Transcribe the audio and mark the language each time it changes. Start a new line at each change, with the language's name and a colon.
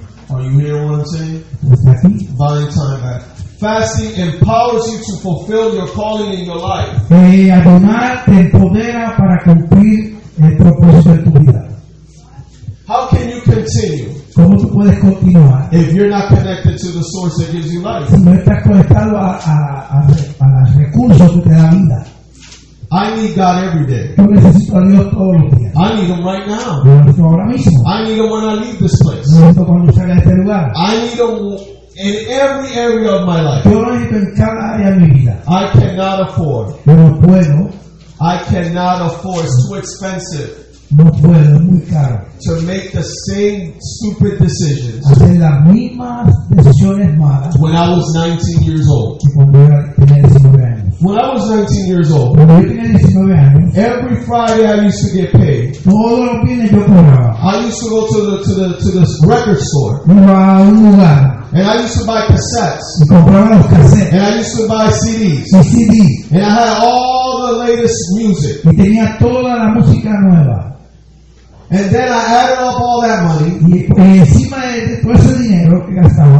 English: Are you hearing what I'm saying? Buying time back. Fasting empowers you to fulfill your calling in your life.
Spanish: Ayunar te empodera para cumplir el propósito de tu vida.
English: How can you continue?
Spanish: ¿Cómo tú puedes continuar?
English: If you're not connected to the source that gives you life.
Spanish: Si no estás conectado a los recursos que te da vida.
English: I need God every day.
Spanish: Yo necesito a Dios todos los días.
English: I need Him right now.
Spanish: Yo necesito ahora mismo.
English: I need Him when I leave this place.
Spanish: Yo necesito cuando salga de este lugar.
English: I need Him in every area of my life.
Spanish: Yo necesito en cada área de mi vida.
English: I cannot afford.
Spanish: Yo no puedo.
English: I cannot afford. It's too expensive.
Spanish: No puedo, es muy caro.
English: To make the same stupid decisions.
Spanish: Hacer las mismas decisiones malas.
English: When I was 19 years old.
Spanish: Cuando era, tenía 19 años.
English: When I was 19 years old,
Spanish: cuando yo tenía 19 años,
English: every Friday I used to get paid.
Spanish: Todos los fines yo cobraba.
English: I used to go to the record store.
Spanish: Iba a un lugar.
English: And I used to buy cassettes.
Spanish: Y compraba los cassettes.
English: And I used to buy CDs.
Spanish: Y CDs.
English: And I had all the latest music.
Spanish: Y tenía toda la música nueva.
English: And then I added up all that money.
Spanish: Y encima de todo ese dinero que gastaba,